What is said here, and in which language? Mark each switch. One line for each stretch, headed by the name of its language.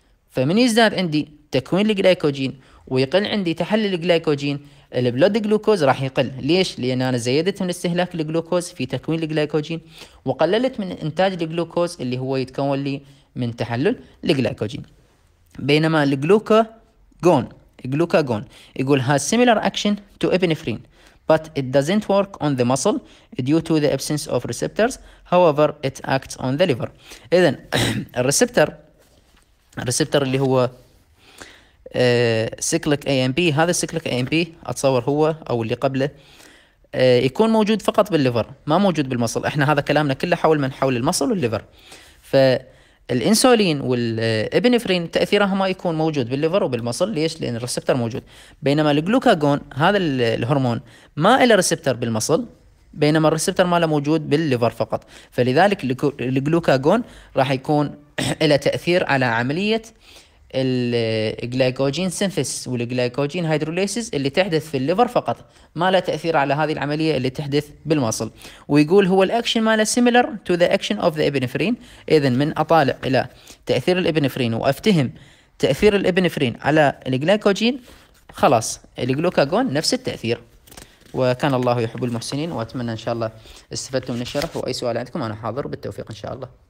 Arabic: فمن يزداد عندي تكوين الجلايكوجين ويقل عندي تحلل الجلايكوجين، البلود جلوكوز راح يقل. ليش؟ لأن أنا زيدت من استهلاك الجلوكوز في تكوين الجلايكوجين وقللت من إنتاج الجلوكوز اللي هو يتكون لي من تحلل الجلايكوجين.
English: بينما الجلوكاجون يقول has similar action to epinephrine but it doesn't work on the muscle due to the absence of receptors. However, it acts on the liver.
Arabic: إذن الريسبتر اللي هو سيكليك AMP، هذا سيكليك AMP أتصور هو أو اللي قبله يكون موجود فقط بالليفر، ما موجود بالمصل. إحنا هذا كلامنا كله حول المصل والليفر. فالإنسولين والإبنفرين تأثيرهما يكون موجود بالليفر وبالمصل. ليش؟ لأن الريسبتر موجود. بينما الجلوكاجون هذا الهرمون ما إلى ريسبتر بالمصل، بينما الريسبتر ماله موجود بالليفر فقط. فلذلك الجلوكاجون راح يكون إلى تأثير على عملية الجلايكوجين سينثس والجلايكوجين هيدروليسيس اللي تحدث في الليفر فقط، ما لا تأثير على هذه العملية اللي تحدث بالمصل.
English: ويقول هو الأكشن ماله similar to the action of the epinephrine.
Arabic: إذن من أطالع إلى تأثير الإبنفرين وأفتهم تأثير الإبنفرين على الجلايكوجين، خلاص الجلوكاجون نفس التأثير. وكان الله يحب المحسنين، وأتمنى إن شاء الله استفدتم من الشرح، وأي سؤال عندكم أنا حاضر بالتوفيق إن شاء الله.